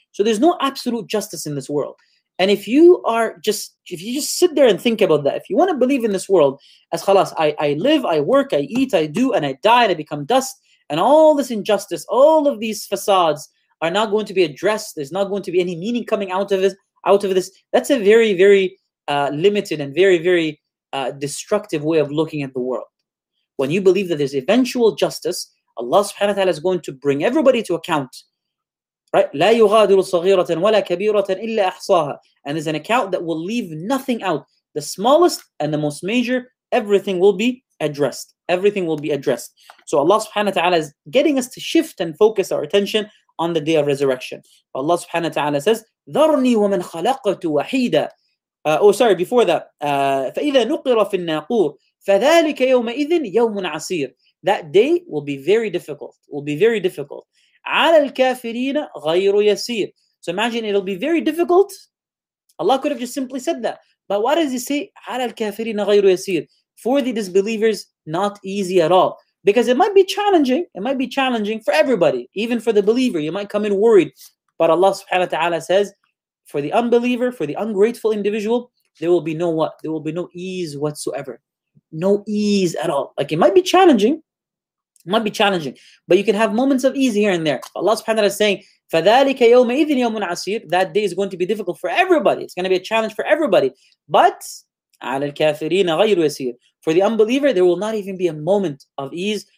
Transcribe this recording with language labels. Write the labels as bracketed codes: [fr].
[en] So there's no absolute justice in this world. And if you are just, if you just sit there and think about that, if you want to believe in this world as khalas, I live, I work, I eat, I do, and I die, and I become dust, and all this injustice, all of these facades are not going to be addressed, there's not going to be any meaning coming out of this, that's a very, very limited and very, very destructive way of looking at the world. When you believe that there's eventual justice, Allah subhanahu wa ta'ala is going to bring everybody to account. Right? [ar] لا يغادر صغيرة ولا كبيرة إلا أحصاها. [en] And there's an account that will leave nothing out. The smallest and the most major, everything will be addressed. Everything will be addressed. So Allah subhanahu wa ta'ala is getting us to shift and focus our attention on the day of resurrection. Allah subhanahu wa ta'ala says, [ar] ذرني ومن خلقت وحيدا. [en] Before that. [ar] فإذا نقر في الناقور فذلك يومئذ يوم عسير. [en] That day will be very difficult. Will be very difficult. [ar] على الكافرين غير يسير. [en] So imagine it'll be very difficult. Allah could have just simply said that. But why does he say [ar] على الكافرين غير يسير? [en] For the disbelievers, not easy at all. Because it might be challenging. It might be challenging for everybody, even for the believer. You might come in worried. But Allah subhanahu wa ta'ala says, for the unbeliever, for the ungrateful individual, there will be no what? There will be no ease whatsoever. No ease at all. Like it might be challenging. Might be challenging. But you can have moments of ease here and there. Allah subhanahu wa ta'ala is saying, [ar] فَذَلِكَ يَوْمَئِذٍ يَوْمٌ عَسِيرٌ. [en] That day is going to be difficult for everybody. It's going to be a challenge for everybody. But [ar] عَلَى الْكَافِرِينَ غَيْرُ يَسِيرٌ. [en] For the unbeliever, there will not even be a moment of ease.